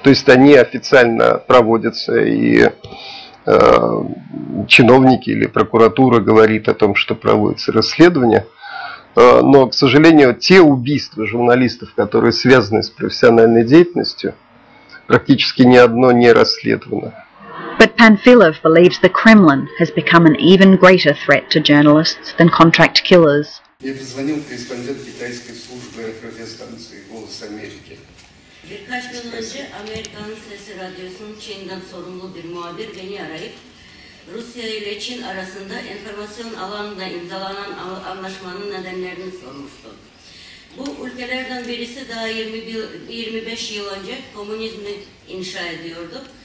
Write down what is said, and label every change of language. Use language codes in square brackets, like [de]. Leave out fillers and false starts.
[ru] То есть они официально проводятся, и чиновники или прокуратура говорит о том, что проводятся расследования. Но, к сожалению, те убийства журналистов, которые связаны с профессиональной деятельностью, практически ни одно не расследовано. [en] But Panfilov believes the Kremlin has become an even greater threat to journalists than contract killers. [ru] Мне позвонил корреспондент китайской службы радиостанции «Голос Америки». [tr] Birkaç gün önce Amerika'nın Sesi Radyosu'nun Çin'den sorumlu bir muhabir beni arayıp Rusya ile Çin arasında informasyon alanında imzalanan anlaşmanın nedenlerini sormuştu. Bu ülkelerden birisi daha 25 yıl önce komünizmi inşa ediyordu.